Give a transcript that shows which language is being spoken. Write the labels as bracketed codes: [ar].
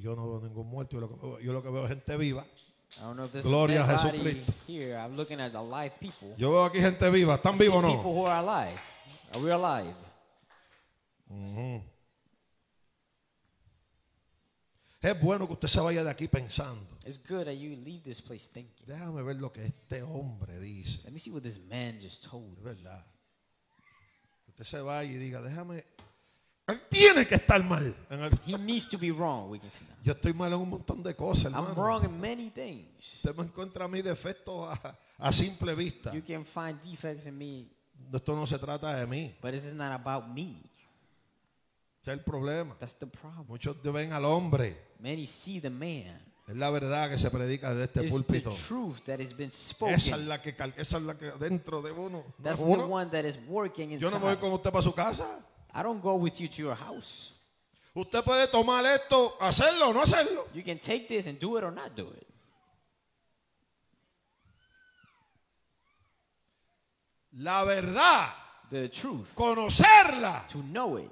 [es] Yo no veo ningún muerto. Yo lo que veo es gente viva. [en] I don't know if this [es] Gloria [en] is here. I'm looking at alive people. [es] Yo veo aquí gente viva. ¿Están vivos o no? [en] People who are alive. Are we alive? Mm-hmm. [es] Es bueno que usted se vaya de aquí pensando. [en] It's good that you leave this place thinking. [es] Déjame ver lo que este hombre dice. [en] Let me see what this man just told. [es] Es verdad. Que usted se vaya y diga, déjame. Él tiene que estar mal. [en] He needs to be wrong, we can see that. [es] Yo estoy mal en un montón de cosas, hermano. [en] I'm wrong in many things. [es] Usted me encuentra mis defectos a simple vista. [en] You can find defects in me. [es] Esto no se trata de mí. [en] But this is not about me. [es] Es el problema. [en] That's the problem. [es] Muchos ven al hombre. [en] Many see the man. [es] Es la verdad que se predica desde este púlpito. [en] It's the truth that has been spoken. [es] Esa es la que dentro de uno. [en] That's [es] uno. [en] The one that is working inside. [es] Yo no me voy con usted para su casa. [en] I don't go with you to your house. [es] Usted puede tomar esto, hacerlo, no hacerlo. [en] You can take this and do it or not do it. [es] La verdad. [en] The truth. [es] Conocerla. [en] To know it.